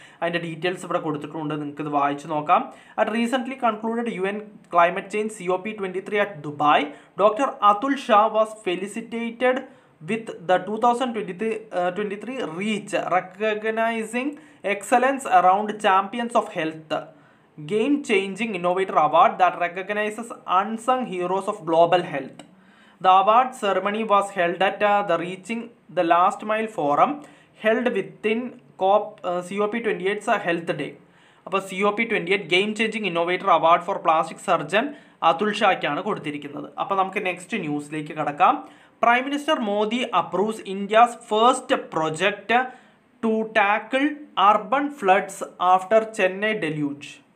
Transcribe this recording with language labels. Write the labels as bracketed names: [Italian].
[Malayalam] അതിൻ്റെ ഡീറ്റെയിൽസ് ഇവിടെ കൊടുത്തിട്ടുണ്ട്, നിങ്ങൾക്കിത് വായിച്ചു നോക്കാം. [English] At recently concluded U N climate change COP23 at Dubai doctor Atul Shah was felicitated with the 2023 Reach recognizing excellence around champions of health. Game Changing Innovator Award that recognizes unsung heroes of global health. The award ceremony was held at the Reaching the Last Mile Forum held within COP28's Health Day. [Malayalam] അപ്പോൾ COP28 game changing innovator award for plastic surgeon Atul ഷായ്ക്കാണ് കൊടുത്തിരിക്കുന്നത്. അപ്പോൾ നമുക്ക് next ന്യൂസിലേക്ക് കടക്കാം. [English] Prime minister Modi approves India's first project to tackle urban floods after Chennai deluge.